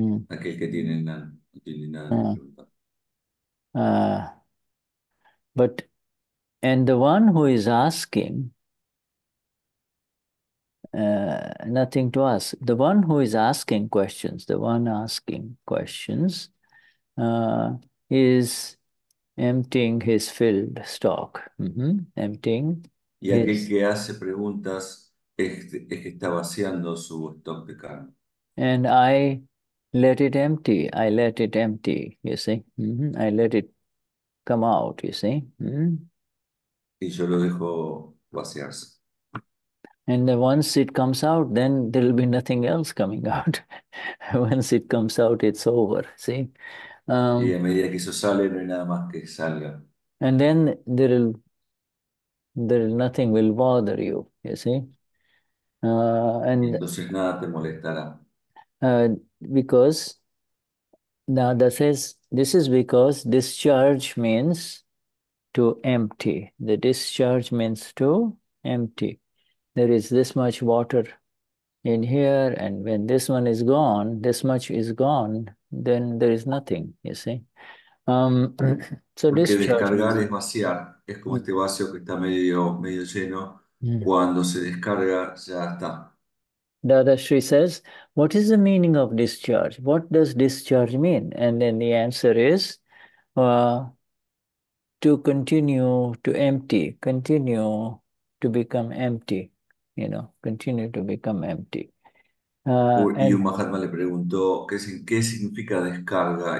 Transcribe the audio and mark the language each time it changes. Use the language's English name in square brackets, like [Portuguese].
[Spanish] Aquel que tiene Nan, no tiene nada que preguntar. [English] But, and the one who is asking, nothing to ask. The one who is asking questions, the one asking questions, is emptying his filled stock. Emptying. [Spanish] Y aquel que hace preguntas es que está vaciando su stock de carne. [English] And I let it empty. I let it empty, you see. I let it come out, you see. [Spanish] Y yo lo dejo vaciarse. [English] And then once it comes out, then there will be nothing else coming out. Once it comes out, it's over, see. [Spanish] Y a medida que eso sale, no hay nada más que salga. [English] And then nothing will bother you, you see. And [Spanish] entonces nada te molestará. [English] Because Dada says, this is because discharge means to empty. The discharge means to empty. There is this much water in here, and when this one is gone, this much is gone, then there is nothing, you see. So [Spanish] porque [English] discharge [Spanish] descargar [English] means [Spanish] es vaciar. Es como este vacío que está medio lleno. Cuando se descarga, ya está. [English] Dadashri says, what is the meaning of discharge? What does discharge mean? And then the answer is, to continue to empty, continue to become empty, you know, continue to become empty. [Spanish] Y un Mahatma le preguntó, ¿qué significa descarga?